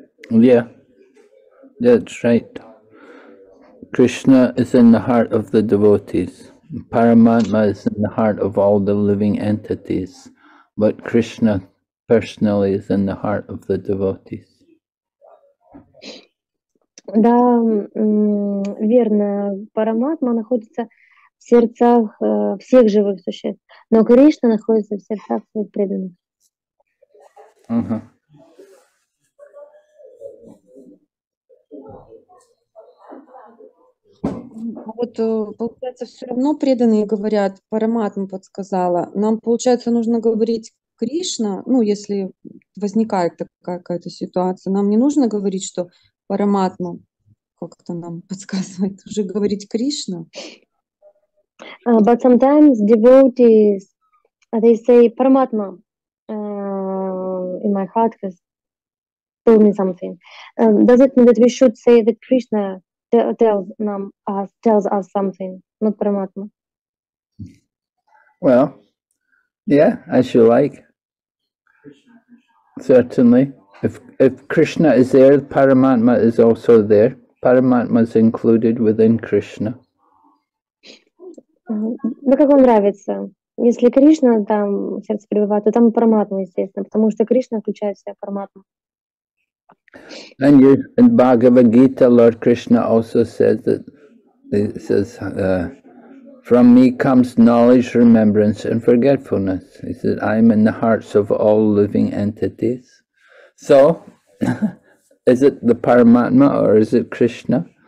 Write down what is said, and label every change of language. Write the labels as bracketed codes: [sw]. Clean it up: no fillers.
[en] Yeah, that's right. Krishna is in the heart of the devotees. Paramatma is in the heart of all the living entities. But Krishna personally is in the heart of the devotees. [ru] Да, верно. Параматма находится в сердцах всех живых существ. Но Кришна находится в сердцах своих преданных. Вот, получается, все равно преданные говорят, Параматма подсказала. Нам, получается, нужно говорить Кришна, ну, если возникает такая какая-то ситуация, нам не нужно говорить, что Параматма как-то нам подсказывает, уже говорить Кришна. [en] But sometimes devotees, they say, Параматма in my heart has told me something. Does it mean that we should say that Krishna tells us something, not Paramatma? Well, yeah, as you like. Certainly. If Krishna is there, Paramatma is also there. Paramatma is included within Krishna. [ru] Ну, как вам нравится? Если Кришна там в сердце пребывает, то там Параматма, естественно, потому что Кришна включает в себя Параматму. [en] And you, in Bhagavad Gita, Lord Krishna also says that he says, "From me comes knowledge, remembrance, and forgetfulness." He said, "I am in the hearts of all living entities." So, is it the Paramatma or is it Krishna?